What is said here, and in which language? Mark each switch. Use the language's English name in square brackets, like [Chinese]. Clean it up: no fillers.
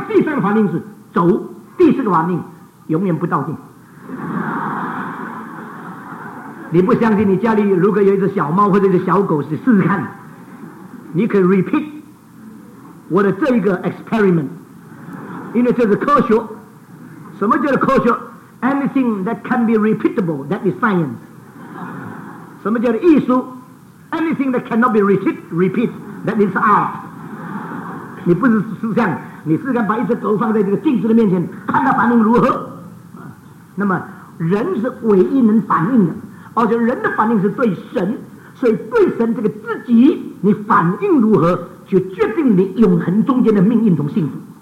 [Chinese] 第三个反应是走。第四个反应永远不照镜。你不相信，你家里如果有一只小猫或者一只小狗，你试试看，你可以 repeat 我的这一个 experiment， 因为这是科学。什么叫做科学？ [English] Anything that can be repeatable, that is science。 [Chinese] 什么叫做艺术？ [English] Anything that cannot be repeat, that is art. [Chinese] 你不是思想，你思想把一只狗放在这个镜子的面前，看它反应如何。那么人是唯一能反应的，而且人的反应是对神，所以对神这个自己，你反应如何，就决定你永恒中间的命运同幸福。